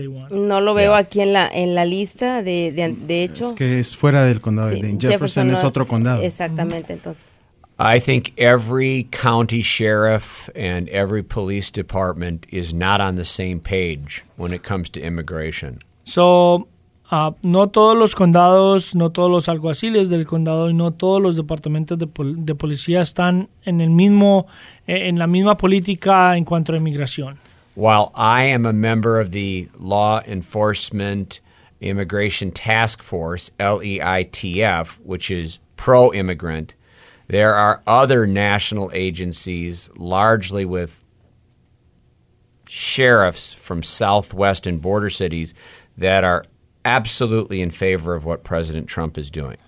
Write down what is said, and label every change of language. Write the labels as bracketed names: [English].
[Spanish] No lo veo aquí en la lista de hecho. Es que es fuera del condado. Sí, de Jefferson es otro condado. Exactamente, entonces. [English] I think every county sheriff and every police department is not on the same page when it comes to immigration. So, [Spanish] no todos los condados, no todos los alguaciles del condado y no todos los departamentos de policía están en el mismo, en la misma política en cuanto a inmigración. [English] While I am a member of the Law Enforcement Immigration Task Force, LEITF, which is pro-immigrant, there are other national agencies, largely with sheriffs from southwest and border cities, that are absolutely in favor of what President Trump is doing.